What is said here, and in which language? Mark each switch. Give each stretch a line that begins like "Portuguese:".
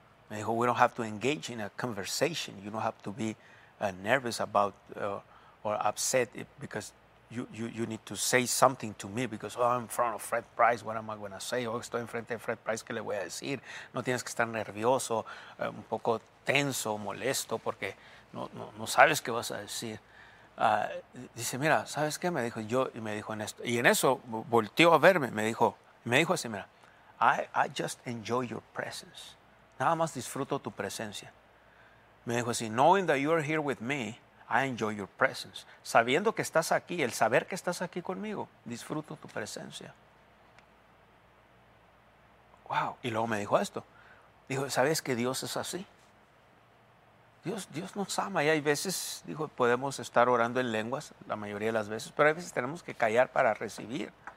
Spanish: Me dijo,
English: we don't have to engage in a conversation. You don't have to be nervous about or upset because you need to say something to me because oh, I'm in front of Fred Price, what am I going to say?
Spanish: Oh, estoy enfrente de Fred Price, ¿qué le voy a decir? No tienes que estar nervioso, un poco tenso, molesto, porque no sabes qué vas a decir. Dice, mira, ¿sabes qué? Me dijo yo, y me dijo en esto. Y en eso volteó a verme, me dijo así, mira,
English: I just enjoy your presence.
Spanish: Nada más disfruto tu presencia. Me dijo así,
English: knowing that you are here with me, I enjoy your presence.
Spanish: Sabiendo que estás aquí, el saber que estás aquí conmigo, disfruto tu presencia. Wow. Y luego me dijo esto. Dijo, ¿sabes que Dios es así? Dios nos ama. Y hay veces, dijo, podemos estar orando en lenguas, la mayoría de las veces, pero hay veces tenemos que callar para recibir.